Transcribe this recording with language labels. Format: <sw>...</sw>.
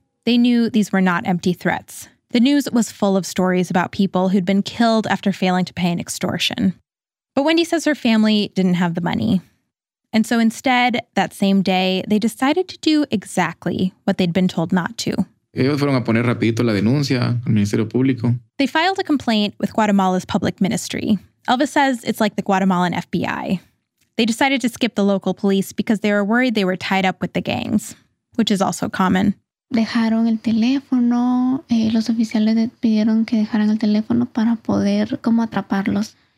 <en>They knew these were not empty threats. The news was full of stories about people who'd been killed after failing to pay an extortion. But Wendy says her family didn't have the money. And so instead, that same day, they decided to do exactly what they'd been told not to.</en> <es>Ellos fueron a poner rapidito la denuncia al Ministerio Público.</es> <en>They filed a complaint with Guatemala's public ministry. Elvis says it's like the Guatemalan FBI. They decided to skip the local police because they were worried they were tied up with the gangs, which is also common.</en> <es>Dejaron el teléfono. Los oficiales pidieron que dejaran el teléfono para poder como atraparlos.</es>